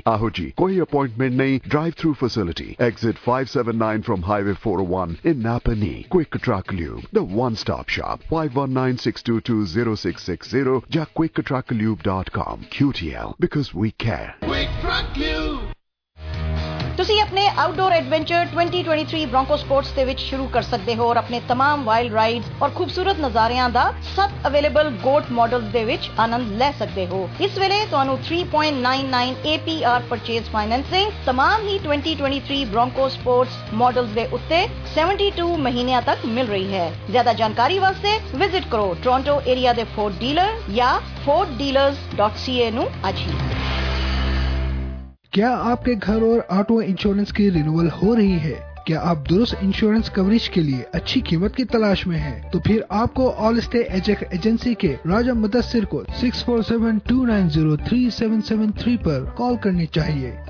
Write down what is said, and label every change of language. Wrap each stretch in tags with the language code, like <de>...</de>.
<hi>आहो जी कोई अपॉइंटमेंट नहीं, drive through facility exit 579 from highway 401 in नापनी।</hi> <en>Quick truck lube the one stop shop 519-622-0660 जा quicktrucklube.com QTL because we care.</en> <pa>ਤੁਸੀਂ ਆਪਣੇ outdoor adventure 2023 broncho sports ਦੇ ਵਿੱਚ ਸ਼ੁਰੂ ਕਰ ਸਕਦੇ ਹੋ ਔਰ ਆਪਣੇ ਤਮਾਮ ਵਾਈਲਡ ਰਾਈਡਸ ਔਰ ਖੂਬਸੂਰਤ ਨਜ਼ਾਰਿਆਂ ਦਾ 7 ਅਵੇਲੇਬਲ ਗੋਟ ਮਾਡਲਸ ਦੇ ਵਿੱਚ ਆਨੰਦ ਲੈ ਸਕਦੇ ਹੋ। ਇਸ ਵੇਲੇ ਤੁਹਾਨੂੰ 3.99 APR ਪਰਚੇਸ ਫਾਈਨੈਂਸਿੰਗ ਤਮਾਮ ਹੀ 2023 ਬ੍ਰੋਂਕੋ ਸਪੋਰਟਸ ਮਾਡਲਸ ਦੇ ਉੱਤੇ 72 ਮਹੀਨਿਆਂ ਤੱਕ ਮਿਲ ਰਹੀ ਹੈ। ਜ਼ਿਆਦਾ ਜਾਣਕਾਰੀ ਵਾਸਤੇ ਵਿਜ਼ਿਟ ਕਰੋ ਟੋਰਾਂਟੋ ਏਰੀਆ ਦੇ ਫੋਰਡ ਡੀਲਰ ਜਾਂ forddealers.ca ਨੂੰ ਅੱਜ ਹੀ।</pa> <hi>क्या आपके घर और ऑटो इंश्योरेंस की रिन्यूअल हो रही है? क्या आप दुरुस्त इंश्योरेंस कवरेज के लिए अच्छी कीमत की तलाश में हैं? तो फिर आपको ऑल स्टे एजेक एजेंसी के राजा मुदस्सिर को 6472903773 पर कॉल करनी चाहिए।</hi>